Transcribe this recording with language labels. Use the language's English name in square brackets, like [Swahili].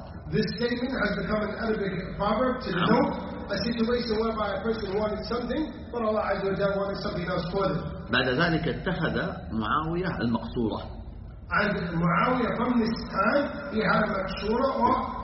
[English] This statement has become an Arabic proverb to denote a situation whereby a person wanted something, but Allah [Arabic] عز وجل [English] wanted something else for them. [Arabic] بعد ذلك اتخذ معاوية المقصورة. [English] And Muawiyah from this time, he had a maqsura or